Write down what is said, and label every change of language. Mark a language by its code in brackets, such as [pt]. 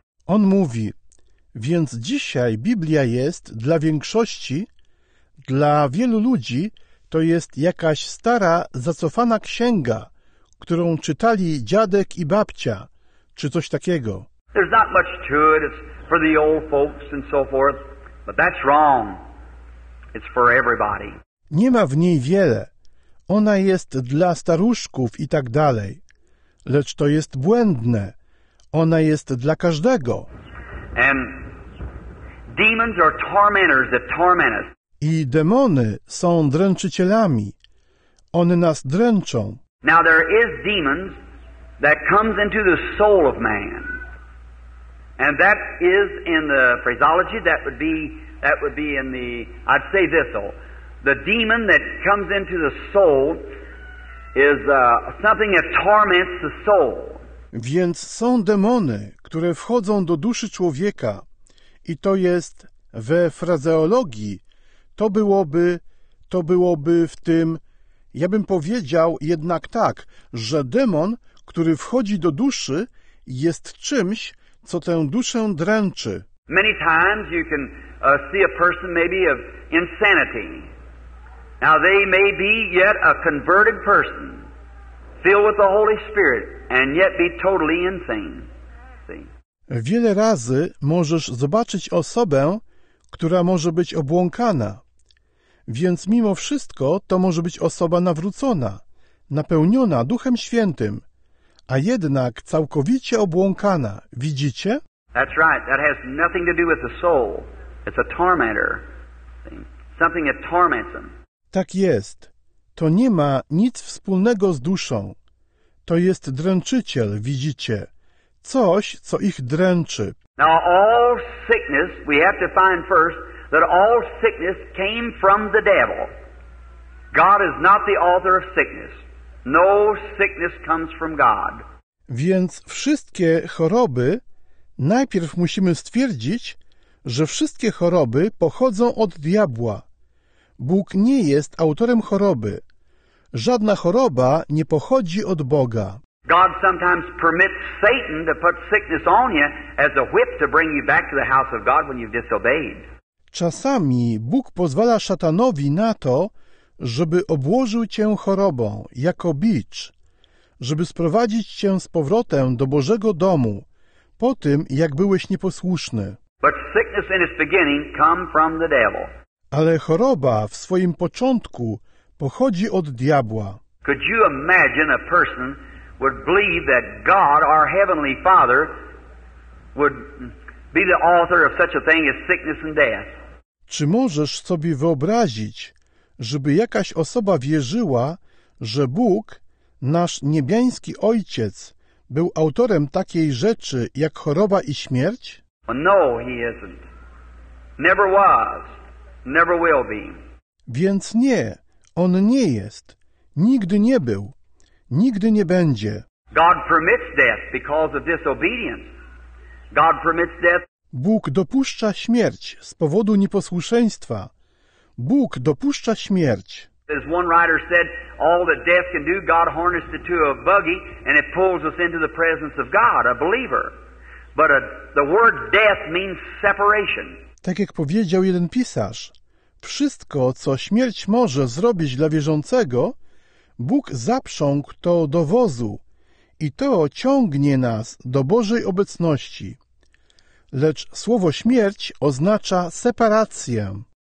[pl] On mówi, więc dzisiaj Biblia jest dla większości. Dla wielu ludzi to jest jakaś stara, zacofana księga, którą czytali dziadek i babcia, czy coś takiego. [en] There's not much to it, it's for the old folks and so forth, but that's wrong. It's for everybody. [pl] Nie ma w niej wiele. ona jest dla staruszków i tak dalej. Lecz to jest błędne. Ona jest dla każdego. [en] And demons are tormentors that torment us. [pl] I demony są dręczycielami. One nas dręczą. [en] Now there is demons that comes into the soul of man. And that is in the phraseology, that would be in the, I'd say this though, the demon that comes into the soul is something that torments the soul. [pl] Więc są demony, które wchodzą do duszy człowieka i to jest we frazeologii, to byłoby w tym, ja bym powiedział jednak tak, że demon, który wchodzi do duszy, jest czymś, co tę duszę dręczy. [en] Many times you can see a person maybe of insanity. Now they may be yet a converted person, filled with the Holy Spirit, and yet be totally insane. See? [pl] Wiele razy możesz zobaczyć osobę, która może być obłąkana. Więc mimo wszystko to może być osoba nawrócona, napełniona Duchem Świętym, a jednak całkowicie obłąkana, widzicie? [en] That's right. That has nothing to do with the soul. It's a tormentor. Something that torments them. [pl] Tak jest. To nie ma nic wspólnego z duszą. To jest dręczyciel, widzicie? Coś, co ich dręczy. [en] Now all sickness, we have to find first that all sickness came from the devil. God is not the author of sickness. No sickness comes from God. [pl] Więc wszystkie choroby, najpierw musimy stwierdzić, że wszystkie choroby pochodzą od diabła. Bóg nie jest autorem choroby. Żadna choroba nie pochodzi od Boga. [en] God sometimes permits Satan to put sickness on you as a whip to bring you back to the house of God when you've disobeyed. [pl] Czasami Bóg pozwala szatanowi na to, żeby obłożył cię chorobą, jako bicz, żeby sprowadzić cię z powrotem do Bożego domu, po tym, jak byłeś nieposłuszny. [en] But sickness in its beginning come from the devil. [pl] Ale choroba w swoim początku pochodzi od diabła. [en] Could you imagine a person would believe that God, our Heavenly Father, would be the author of such a thing as sickness and death? [pl] Czy możesz sobie wyobrazić, żeby jakaś osoba wierzyła, że Bóg, nasz niebiański Ojciec, był autorem takiej rzeczy jak choroba i śmierć? [en] No, he isn't. Never was. Never will be. [pl] Więc nie, on nie jest. Nigdy nie był. Nigdy nie będzie. [en] God permits death because of disobedience. God permits death. [pl] Bóg dopuszcza śmierć z powodu nieposłuszeństwa. Bóg dopuszcza śmierć. [en] As one writer said, all that death can do, God harnessed it to a buggy and it pulls us into the presence of God, a believer. But the word death means separation. [pl] Tak jak powiedział jeden pisarz, wszystko, co śmierć może zrobić dla wierzącego, Bóg zaprzągł to do wozu i to ciągnie nas do Bożej obecności. Lecz słowo śmierć oznacza separację.